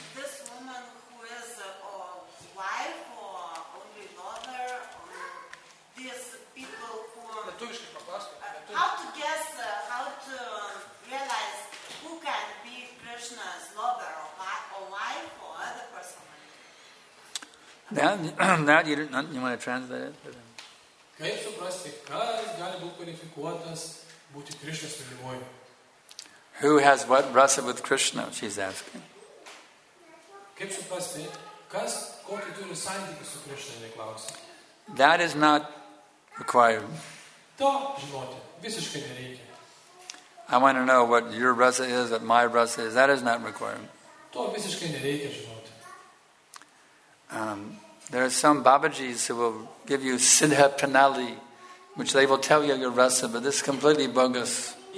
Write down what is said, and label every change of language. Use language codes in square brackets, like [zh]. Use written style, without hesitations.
[en] This woman who is a wife or only mother, or these people who are... How to guess, how to realize who can be Krishna's lover or wife or other person? That you don't, you want to translate it? [lt] Kaip suprasti, kas gali būti kvalifikuotas būti Krishna's mylimoji? [en] Who has what rasa with Krishna, she's asking. [lt] Kaip suprasti, kas kokį turi santykį su Krishna, jei klausi? [en] That is not required. [lt] To žinoti, visiškai nereikia. [en] I want to know what your rasa is, what my rasa is. That is not required. [lt] To visiškai nereikia žinoti. [en] There are some Babajis who will give you Siddha Pranali, which they will tell you your rasa, but this is completely bogus.